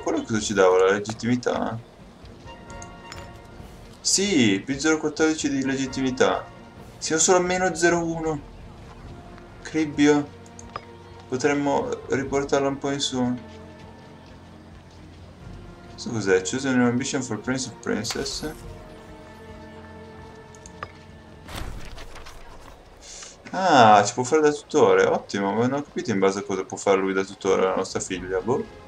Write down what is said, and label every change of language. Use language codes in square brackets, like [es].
[it] Quello cosa ci dava? La legittimità? Sì, più 0,14 di legittimità. Siamo solo a meno 0,1. Cribbio. Potremmo riportarlo un po' in su. Questo cos'è? [en] Choose a new ambition for Prince of Princess? [it] Ah, ci può fare da tutore, ottimo, ma non ho capito in base a cosa può fare lui da tutore la nostra figlia, boh.